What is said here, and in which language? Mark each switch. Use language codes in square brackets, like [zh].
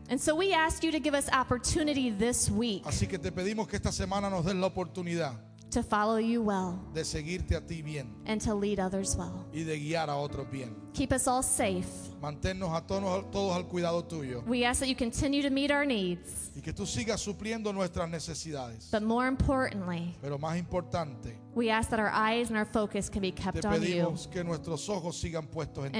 [en] And so we ask you to give us opportunity this week. [es] Así que te pedimos que esta semana nos des la oportunidad. [en] To follow you well. [es] De seguirte a ti bien. [en] And to lead others well. [es] Y de guiar a otros bien. [en] Keep us all safe. [es] Manténnos a todos al cuidado tuyo. [en] We ask that you continue to meet our needs. [es] Y que tú sigas supliendo nuestras necesidades. [en] But more importantly, [es] pero más importante, [en] we ask that our eyes and our focus can be kept on you. [es] Te pedimos que nuestros ojos sigan puestos en ti.